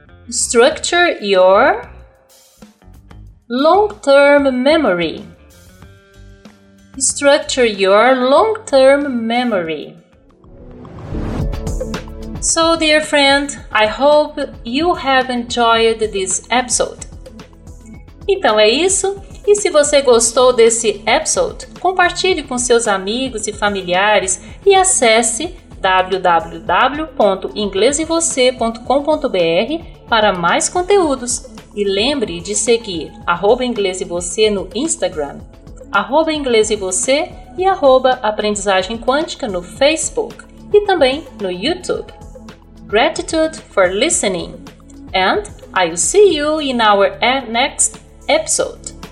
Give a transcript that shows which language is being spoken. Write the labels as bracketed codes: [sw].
[en] Structure your long-term memory. Structure your long-term memory. So, dear friend, I hope you have enjoyed this episode. [pt] Então é isso. E se você gostou desse episode, compartilhe com seus amigos e familiares e acesse www.inglesevocê.com.br para mais conteúdos. E lembre de seguir @inglesevocê no Instagram, @inglesevocê e @aprendizagemquântica no Facebook e também no YouTube. [en] Gratitude for listening. And I'll see you in our next episode.